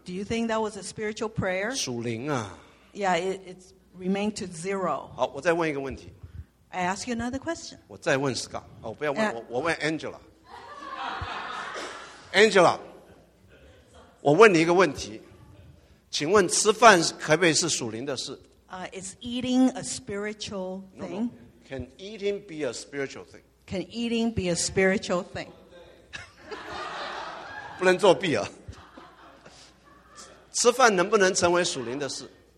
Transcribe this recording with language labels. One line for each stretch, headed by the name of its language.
English: Do you think that was a spiritual prayer?
Chinese: 属灵啊。
English: Yeah, it remained to zero.
Chinese: 好, 我再问一个问题。
English: I ask you another question.
Chinese: 我再问Scott。哦, 不要问, 我问Angela。 Angela, 我问你一个问题。请问吃饭可不可以是属灵的事?
English: Is eating a spiritual thing? No, no. Can eating be a spiritual thing? Can eating be a spiritual thing?
Chinese: 不能作弊啊。吃饭能不能成为属灵的事?